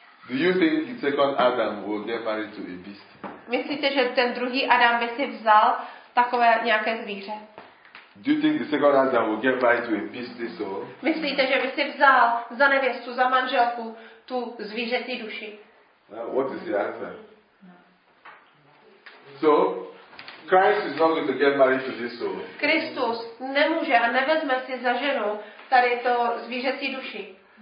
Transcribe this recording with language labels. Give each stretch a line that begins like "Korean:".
English: Do you think the second Adam will get married to a beast?
Czech: Myslíte, že ten druhý Adam by si vzal takové nějaké zvíře?
English: Do you think the second Adam will get married to a beast this soul?
Czech: Myslíte, že by si vzal za nevěstu, za manželku tu zvířecí duši?
English: What is the answer? So Christ is not going to get married to this soul.
Czech: Kristus nemůže a nevezme si za ženu tady to zvířecí duši.